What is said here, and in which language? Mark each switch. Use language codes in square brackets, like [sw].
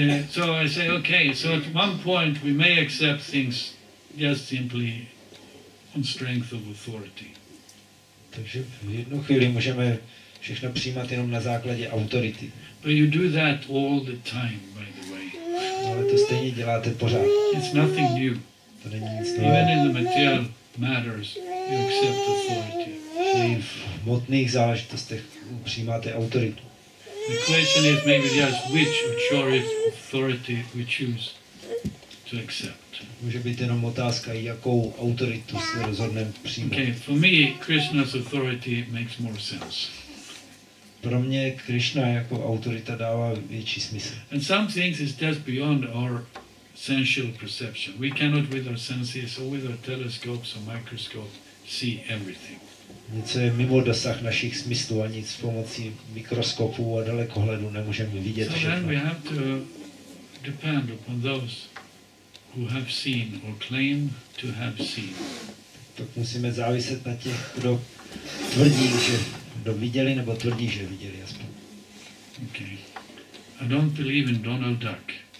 [en] So I say, okay, so at one point we may accept things just simply on strength of authority. [cs] Takže v jednu chvíli můžeme všechno přijímat jenom na základě autority. [en] But you do that all the time, by the way. [cs] Ale to stejně děláte pořád. [en] It's nothing new. Even in the material matters, you accept authority. [cs] V hmotných záležitostech přijímáte autoritu. [en] The question is maybe just which of Chorev's authority we choose to accept. [cs] Může být jenom otázka, jakou autoritu se rozhodneme přijmout. [en] Okay, for me Krishna's authority makes more sense. [cs] Pro mě Krishna jako autorita dává větší smysl. [en] And some things is just beyond our sensual perception. We cannot with our senses or with our telescopes or microscope see everything. [cs] Něco je mimo dosah našich smyslů a nic pomocí mikroskopů a dalekohledu nemůžeme vidět všechno. [en] So then we have to depend upon those who have seen or claim to have seen. [cs] Tak musíme záviset na těch, kdo tvrdí, že kdo viděli nebo tvrdí, že viděli aspoň. [en] Okay. I don't believe in Donald Duck.